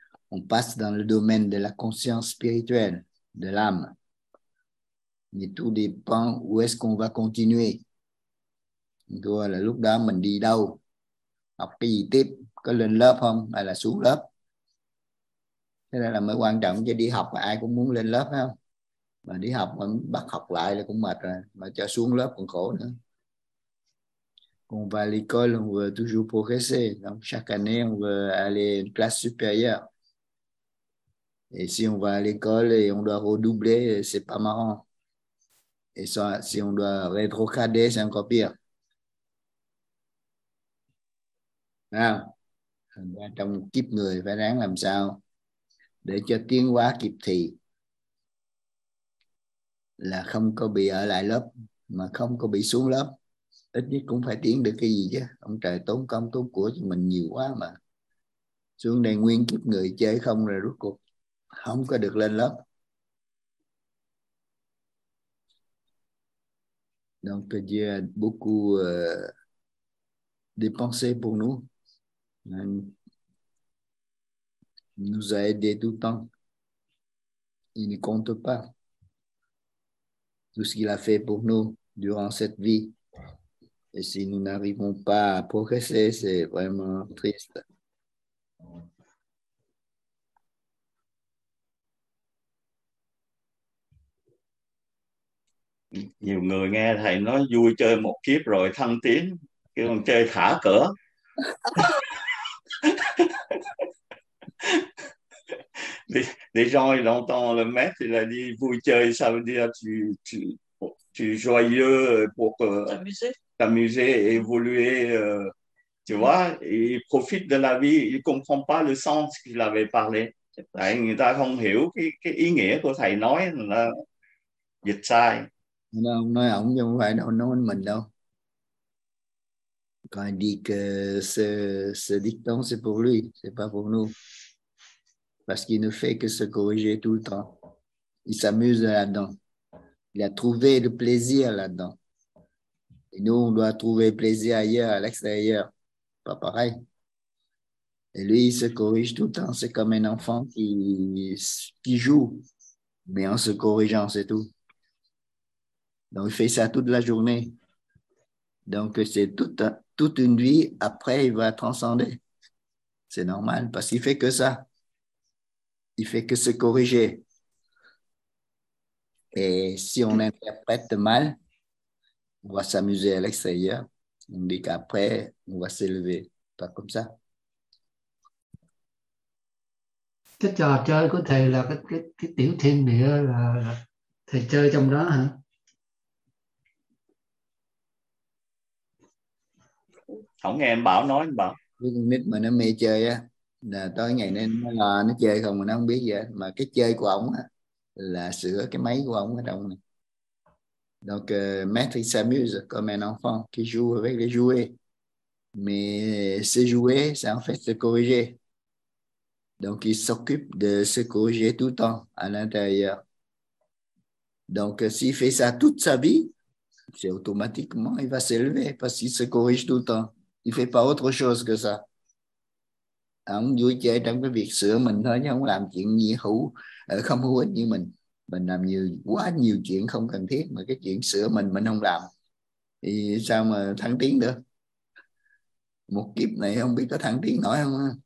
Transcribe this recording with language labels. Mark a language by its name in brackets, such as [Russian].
[French] On passe dans le domaine de la conscience spirituelle, de l'âme. Mais tout dépend où est-ce qu'on va continuer. Donc là, [Vietnamese] lúc đó mình đi đâu? Học cái gì tiếp? Có lên lớp không? Hay là xuống lớp? Thế là mới quan trọng chứ đi học mà ai cũng muốn lên lớp không? Mà đi học mà bắt học lại là cũng mệt rồi. Mà cho xuống lớp còn khổ nữa. [French] On va à l'école, on veut toujours progresser. Donc chaque année, on veut aller à une classe supérieure. Et si on va à l'école et on doit redoubler, c'est pas marrant. Et ça, si on doit rétrograder, c'est encore pire. Ah. [Vietnamese] Thành ra trong kiếp người phải ráng làm sao để cho tiến hóa kịp thì, là không có bị ở lại lớp, mà không có bị xuống lớp. Ít nhất cũng phải tiến được cái gì chứ. Ông trời tốn công tốn của cho mình nhiều quá mà. Xuống đây nguyên kiếp người chơi không rồi rốt cuộc không có được lên lớp. [French] Donc il y a beaucoup de pensées pour nous. Il nous a aidé tout le temps. Il ne compte pas tout ce qu'il a fait pour nous durant cette vie. Et si nous n'arrivons pas à progresser, c'est vraiment triste. [Vietnamese] Nhiều người nghe thầy nói vui chơi một kiếp rồi thăng tiến, kêu còn chơi thả cửa. Để rồi lòng to là mét thì là đi vui chơi sao đi tu [French] joyeux pour t'amuser évoluer tu vois, il profite de la vie, il comprend pas le sens qu'il avait parlé. [Vietnamese] Đấy, người ta không hiểu cái ý nghĩa của thầy nói là dịch sai. Ông nói ổng chứ không phải đâu, nói mình đâu. [French] Quand il dit que ce dicton c'est pour lui, c'est pas pour nous. Parce qu'il ne fait que se corriger tout le temps. Il s'amuse là-dedans. Il a trouvé le plaisir là-dedans. Et nous, on doit trouver plaisir ailleurs, à l'extérieur. Pas pareil. Et lui, il se corrige tout le temps. C'est comme un enfant qui joue, mais en se corrigeant, c'est tout. Donc, il fait ça toute la journée. Donc, c'est toute une vie. Après, il va transcender. C'est normal, parce qu'il fait que ça. Il fait que se corriger. Et si on interprète mal, on va s'amuser à l'extérieur. On dit qu'après, on va s'élever. Pas comme ça. [Vietnamese] Cái trò chơi của thầy là cái tiểu thiên địa là thầy chơi trong đó hả? Không nghe em bảo nói, em bảo. Cái con nít mà nó mê chơi á, là tới ngày nên nó chơi không mà nó không biết gì hết. Mà cái chơi của ông á, là sửa cái máy của ông ở trong này. [French] Donc, maître il s'amuse comme un enfant qui joue avec les jouets. Mais ce jouet, c'est en fait se corriger. Donc, il s'occupe de se corriger tout le temps à l'intérieur. Donc, s'il fait ça toute sa vie, c'est automatiquement, il va s'élever parce qu'il se corrige tout le temps. Il ne fait pas autre chose que ça. [Vietnamese] Ông vui chơi trong cái việc sửa mình thôi, chứ không làm chuyện gì hữu, không hữu ích như mình. Mình làm nhiều, quá nhiều chuyện không cần thiết, mà cái chuyện sửa mình không làm. Thì sao mà thăng tiến được? Một kiếp này không biết có thăng tiến nổi không?